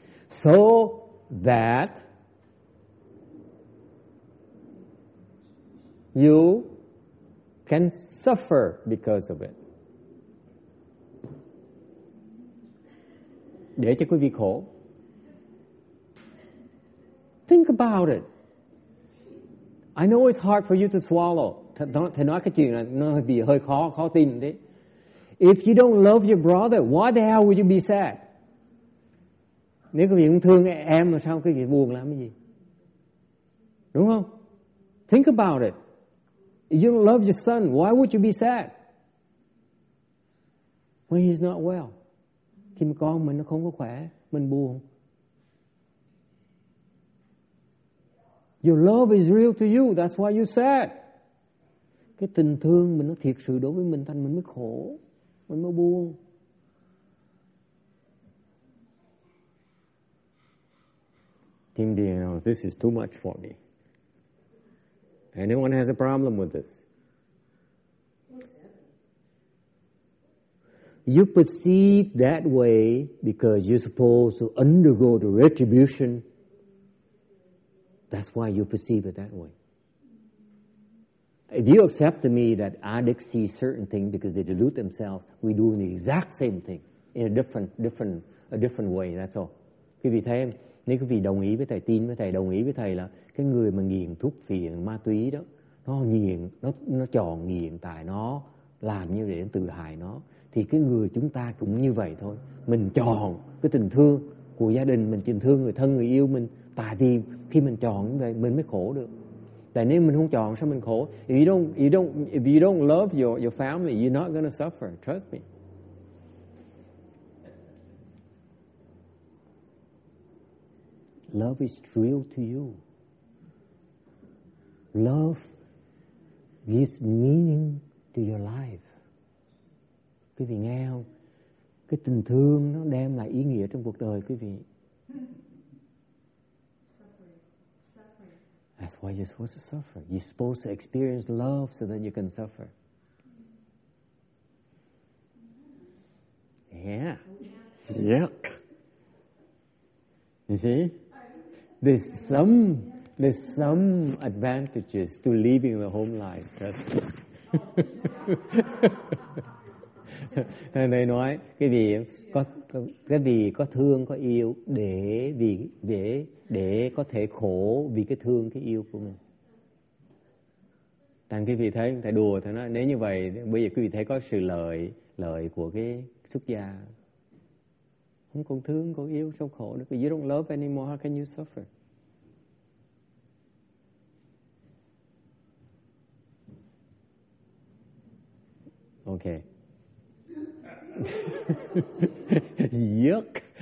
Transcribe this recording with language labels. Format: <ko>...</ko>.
<en>So that you can suffer because of it.</en> <vi>Để cho quý vị khổ.</vi> <en>Think about it. I know it's hard for you to swallow.</en> <vi>Thầy nói cái chuyện là nó bị hơi khó, khó tin đấy.</vi> <en>If you don't love your brother, why the hell would you be sad?</en> <vi>Nếu quý vị không thương em, sao quý vị buồn làm cái gì? Đúng không?</vi> <en>Think about it. If you don't love your son, why would you be sad? When he's not well.</en> <vi>Khi mà con mình nó không có khỏe, mình buồn.</vi> <en>Your love is real to you, that's why you're sad.</en> <vi>Cái tình thương mình nó thiệt sự đối với mình, thành mình mới khổ, mình mới buồn.</vi> <en>Kim Điền, this is too much for me. Anyone has a problem with this? You perceive that way because you're supposed to undergo the retribution. That's why you perceive it that way. If you accept to me that addicts see certain things because they delude themselves, we do the exact same thing in a different way. That's all.</en> <vi>Quý vị thấy, nếu quý vị đồng ý với thầy, tin với thầy, đồng ý với thầy là cái người mà nghiện thuốc phiện ma túy đó, nó nghiện, nó chọn nghiện tại nó làm như để tự hại nó, thì cái người chúng ta cũng như vậy thôi. Mình chọn cái tình thương của gia đình mình, tình thương người thân, người yêu mình, tại vì khi mình chọn như vậy mình mới khổ được. Tại nếu mình không chọn sao mình khổ?</vi> <en>If you don't love your family, you're not gonna suffer. Trust me. Love is real to you. Love gives meaning to your life.</en> <vi>Quý vị nghe không? Cái tình thương nó đem lại ý nghĩa trong cuộc đời quý vị.</vi> <en>That's why you're supposed to suffer. You're supposed to experience love so that you can suffer. Yeah. Yuck. You see? There's some advantages to living the home life.</en> <vi>Thầy này nói, cái vị có thương, có yêu để có thể khổ vì cái thương, cái yêu của mình. Thành cái vị thấy thầy đùa thầy nói nếu như vậy bây giờ quý vị thấy có sự lợi lợi của cái xuất gia không còn thương còn yêu trong khổ nữa.</vi> <en>You don't love anymore, how can you suffer? Okay. Yuck.</en>